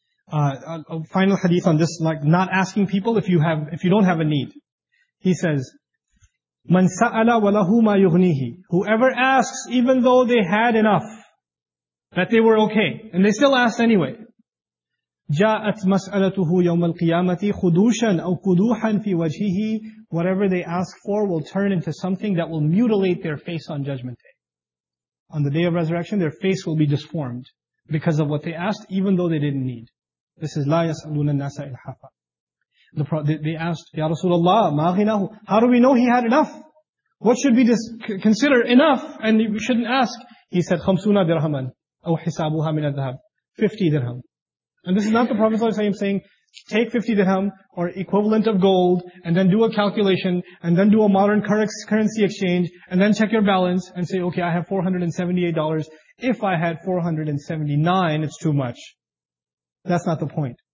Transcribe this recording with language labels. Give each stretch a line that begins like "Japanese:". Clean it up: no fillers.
English: A final hadith on this, like not asking people if you don't have a need. He says,
Arabic: مَنْ سَأَلَ وَلَهُ مَا يُغْنِيهِ
English: Whoever asks, even though they had enough, that they were okay, and they still asked anyway,
Arabic: جاءت مسألته يوم القيامة خدوشا أو قدوحا في وجهه.
English: Whatever they ask for will turn into something that will mutilate their face on judgment day. On the day of resurrection, their face will be disformed because of what they asked, even though they didn't need. This is
Arabic: لا يسألون الناس إلحافا.
English: They asked,
Arabic: يا رسول الله ما غناه.
English: How do we know he had enough? What should we consider enough? And we shouldn't ask. He said,
Arabic: خمسون درهما أو حسابها من الذهب. 50 درهم.
English: And this is not the Prophet saying, take 50 dirham or equivalent of gold and then do a calculation and then do a modern currency exchange and then check your balance and say, okay, I have $478. If I had 479, it's too much. That's not the point.